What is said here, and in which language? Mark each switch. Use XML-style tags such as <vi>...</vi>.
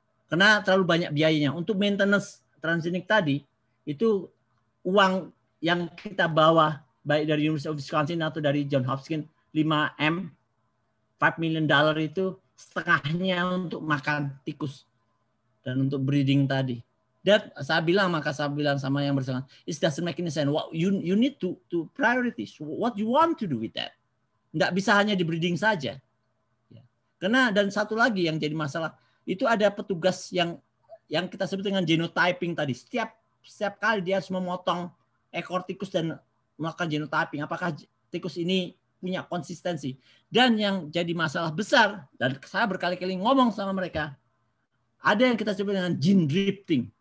<id>Karena terlalu banyak biayanya untuk maintenance transgenik tadi itu uang yang kita bawa baik dari University of Wisconsin atau dari John Hopkins $5 million itu setengahnya untuk makan tikus dan untuk breeding tadi. Dan saya bilang sama yang bersangkutan,</id> <en>it doesn't make any sense. What you need to priorities. What you want to do with that?</en> <id>Nggak bisa hanya di breeding saja. Karena dan satu lagi yang jadi masalah itu ada petugas yang kita sebut dengan genotyping tadi. Setiap kali dia harus memotong ekor tikus dan melakukan genotyping, apakah tikus ini punya konsistensi. Dan yang jadi masalah besar, dan saya berkali-kali ngomong sama mereka, ada yang kita sebut dengan gene drifting.</id>